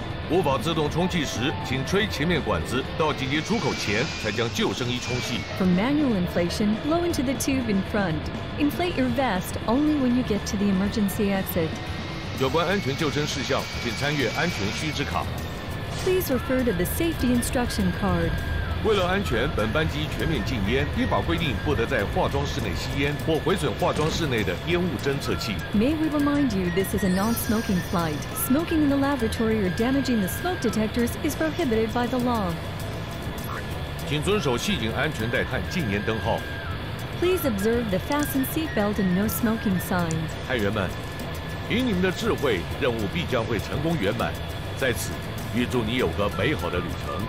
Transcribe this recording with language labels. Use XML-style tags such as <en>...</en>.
<zh>无法自动充气时，请吹前面管子。到紧急出口前才将救生衣充气。</zh> <en>For manual inflation, blow into the tube in front. Inflate your vest only when you get to the emergency exit.</en> <zh>有关安全救生事项，请参阅安全须知卡。</zh> <en>Please refer to the safety instruction card.</en> <zh>为了安全，本班机全面禁烟。依法规定，不得在化妆室内吸烟或毁损化妆室内的烟雾侦测器。</zh> <en>May we remind you, this is a non-smoking flight. Smoking in the laboratory or damaging the smoke detectors is prohibited by the law.</en> <zh>请遵守系紧安全带和禁烟灯号。</zh> <en>Please observe the fastened seatbelt and no smoking signs.</en> <zh>探员们。凭你们的智慧，任务必将会成功圆满。在此，预祝你有个美好的旅程。</zh>